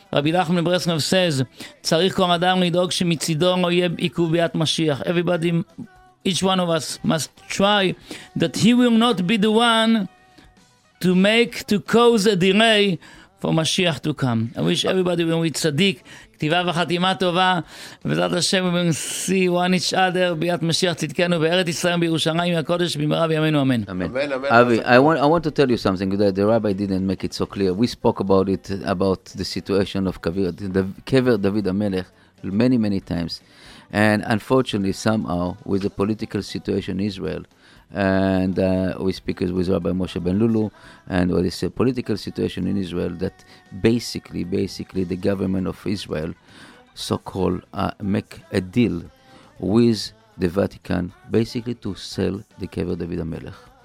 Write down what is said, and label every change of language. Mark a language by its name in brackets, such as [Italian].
[Hebrew] רבי נחמן מברסלב says, צריך כל אדם לדאוג שמצידו לא יהיה עיכוב ביאת משיח. [English] Everybody, each one of us must try that he will not be the one to cause a delay for Mashiach to come. I wish everybody will be [Hebrew] צדיק, כתיבה וחתימה טובה, ובזאת השם [English] we will see one each other, [Hebrew] ביאת משיח צדקנו, בארץ ישראל, בירושלים, הקודש, במהרה בימינו, אמן. אמן, אמן. [English] אבי, I want to tell you something, that the rabbi didn't make it so clear. We spoke about the situation of Kever David HaMelech many, many times. And unfortunately, somehow, with the political situation in Israel, and we speak with Rabbi Moshe Ben Lulu, and what is a political situation in Israel, that basically the government of Israel so-called make a deal with the Vatican basically to sell the Kever David HaMelech.